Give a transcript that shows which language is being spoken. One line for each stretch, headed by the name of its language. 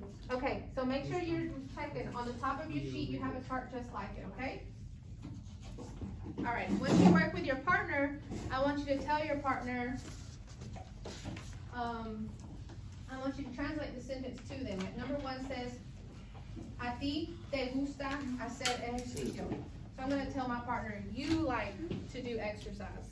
English: Okay, so make sure you're typing. On the top of your sheet, you have a chart just like it, okay? All right, once you work with your partner, I want you to tell your partner, I want you to translate the sentence to them. Like number one says,
Spanish: a ti te gusta hacer ejercicio.
English: So I'm going to tell my partner, you like to do exercise.